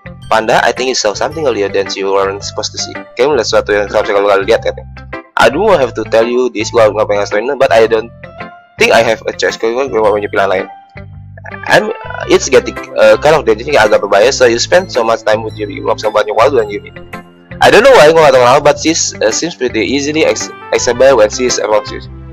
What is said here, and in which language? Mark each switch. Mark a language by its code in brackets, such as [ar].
[en] Panda, I think you saw something earlier than you weren't supposed to see. [id] Kayaknya melihat sesuatu yang seharusnya kalau kalian lihat katanya. [en] I don't have to tell you this, [id] gue gak pengen ngasih, [en] but I don't think I have a choice, [id] karena gue gak punya pilihan lain. [en] It's getting kind of dangerous, [id] ini agak berbahaya, [en] so you spend so much time with Yuri, [id] lu gak bisa banyak waktu dengan Yuri. [en] I don't know why, [id] gue gak tau kenapa, [en] but she seems pretty easily accessible when she's around you.